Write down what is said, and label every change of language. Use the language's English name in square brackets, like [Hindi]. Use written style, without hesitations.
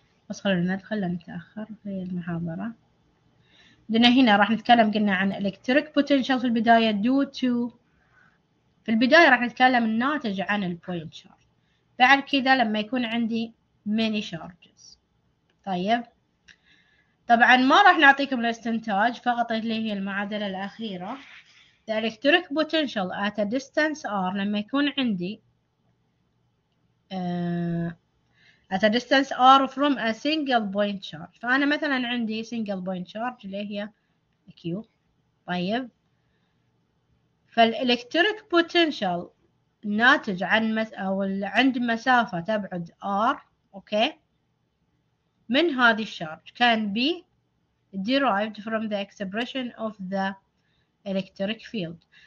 [Arabic] بس خلينا ندخل لأن نتأخر في المحاضرة. عندنا هنا راح نتكلم قلنا عن Electric Potential في البداية due to، في البداية راح نتكلم الناتج عن البوينت شارج، بعد كذا لما يكون عندي ميني شارجز. طيب طبعا ما راح نعطيكم الاستنتاج، فقط اللي هي المعادلة الأخيرة. [English] The electric potential at a distance r، [Arabic] لما يكون عندي [English] at a distance r from a single point charge، [Arabic] فأنا مثلا عندي [English] single point charge اللي هي q. [Arabic] طيب فالالكتريك بوتنشال ناتج عن او عند مسافة تبعد r، اوكي من هذه الشارج [English] can be derived from the expression of the electric field.